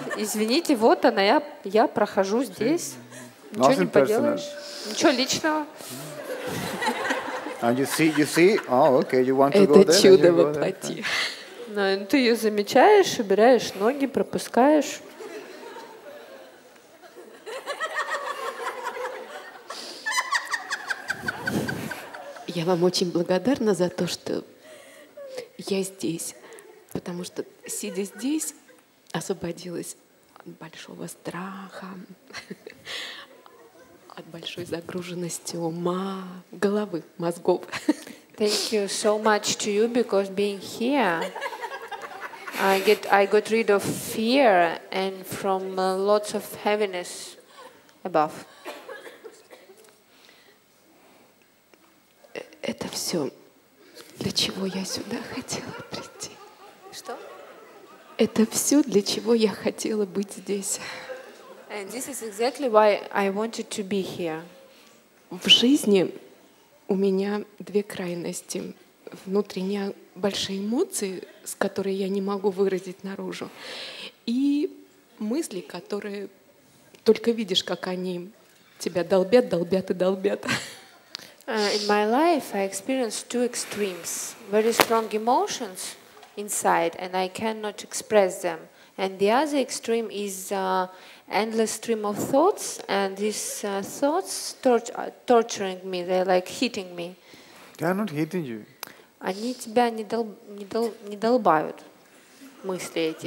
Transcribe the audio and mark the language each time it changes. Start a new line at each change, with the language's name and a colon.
Russian: Извините, вот она, я прохожу здесь. Ничего не поделаешь. Ничего личного.
English: And you see, oh, okay, you want to go there.
Russian: Это чудо воплоти. Но ты ее замечаешь, убираешь ноги, пропускаешь. Я вам очень благодарна за то, что я здесь, потому что, сидя здесь, освободилась от большого страха, от большой загруженности ума, головы, мозгов.
English: Thank you so much to you, because being here, I got rid of fear and from lots of heaviness above.
Russian: Это все, для чего я сюда хотела прийти. Что? Это все, для чего я хотела быть здесь.
English: And this is exactly why I wanted to be here.
Russian: В жизни у меня две крайности. Внутренние большие эмоции, с которыми я не могу выразить наружу, и мысли, которые только видишь, как они тебя долбят, долбят и долбят.
English: In my life, I experienced two extremes, very strong emotions inside, and I cannot express them. And the other extreme is endless stream of thoughts, and these thoughts torturing me, they're like hitting me. They are not hitting you.
Russian: Они тебя не долбают, мысли эти.